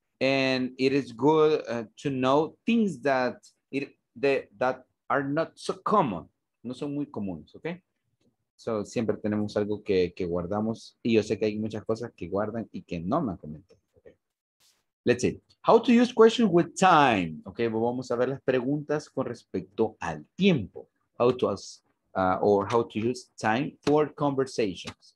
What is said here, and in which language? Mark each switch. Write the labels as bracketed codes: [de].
[en] And it is good to know things that, that are not so common. [es] No son muy comunes, ok. So, siempre tenemos algo que guardamos y yo sé que hay muchas cosas que guardan y que no me han comentado. Okay. [en] Let's see. How to use questions with time. [es] Ok, vamos a ver las preguntas con respecto al tiempo. [en] How to ask or how to use time for conversations.